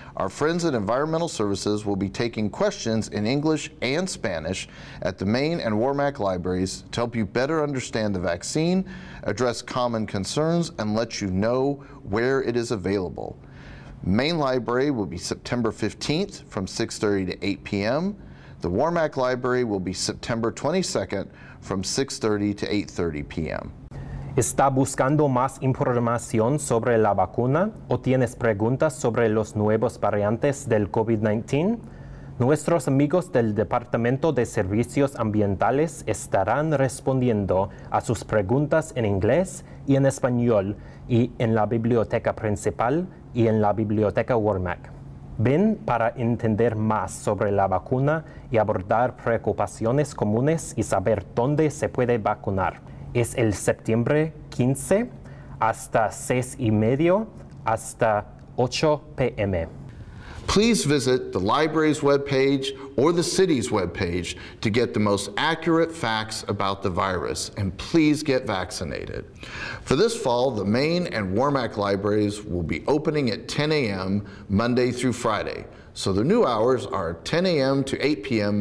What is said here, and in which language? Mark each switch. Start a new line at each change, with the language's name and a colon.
English: Our friends at Environmental Services will be taking questions in English and Spanish at the Maine and Warmack libraries to help you better understand the vaccine, address common concerns, and let you know where it is available. Maine Library will be September 15th from 6:30 to 8 p.m. The Warmack Library will be September 22nd from 6:30 to 8:30 p.m.
Spanish: ¿Está buscando más información sobre la vacuna o tienes preguntas sobre los nuevos variantes del COVID-19? Nuestros amigos del Departamento de Servicios Ambientales estarán respondiendo a sus preguntas en inglés y en español y en la biblioteca principal y en la biblioteca Warmack. Ven para entender más sobre la vacuna y abordar preocupaciones comunes y saber dónde se puede vacunar. Es el septiembre 15 hasta 6:30 hasta 8 p.m.
English: Please visit the library's webpage or the city's webpage to get the most accurate facts about the virus, and please get vaccinated. For this fall, the Maine and Warmack libraries will be opening at 10 a.m. Monday through Friday. So the new hours are 10 a.m. to 8 p.m.